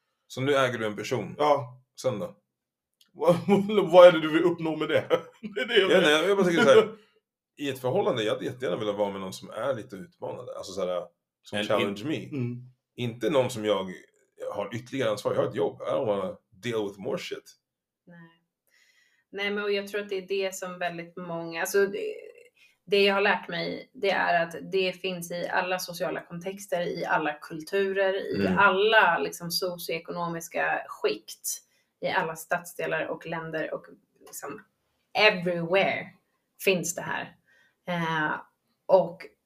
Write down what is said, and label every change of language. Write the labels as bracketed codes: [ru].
[sv] Så nu äger du en person? Ja. Sen då? Vad är det du vill uppnå med det? Jag bara tänker så här, i ett förhållande, jag hade jättegärna vill vara med någon som är lite utmanande, alltså så här, som [en] and challenge me. [sv] Inte någon som jag... Jag har ytterligare ansvar, jag har ett jobb. [en] I don't wanna deal with more shit. [sv] Nej, men jag tror att det är det som väldigt många... Alltså det jag har lärt mig, det är att det finns i alla sociala kontexter, i alla kulturer, i alla liksom, socioekonomiska skikt, i alla stadsdelar och länder och liksom, everywhere finns det här. Och...